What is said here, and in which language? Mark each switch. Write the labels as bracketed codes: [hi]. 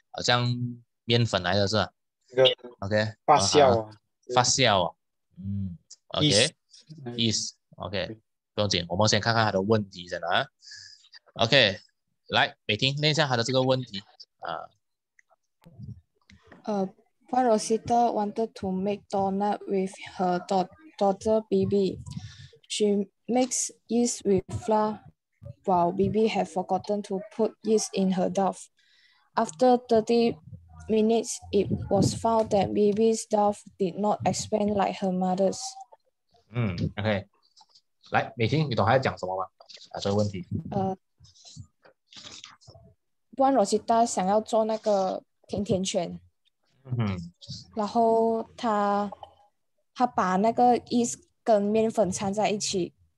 [zh] 好像面粉来的是吧？那个，OK，发酵啊，发酵啊，嗯 ，OK，Yeast，OK， 不用紧，我们先看看他的问题先啊。 OK， 来，美婷念一下他的这个问题啊。 [en] Rosita wanted to make donut with her daughter BB. She makes yeast with flour while BB had forgotten to put yeast in her dough. After 30 minutes, it was found that BB's dough did not expand like her mother's. OK. [zh] 来，美婷，你懂他在讲什么吗？啊，这个问题。关罗西达想要做那个甜甜圈。然后他把那个 yeast 跟面粉掺在一起。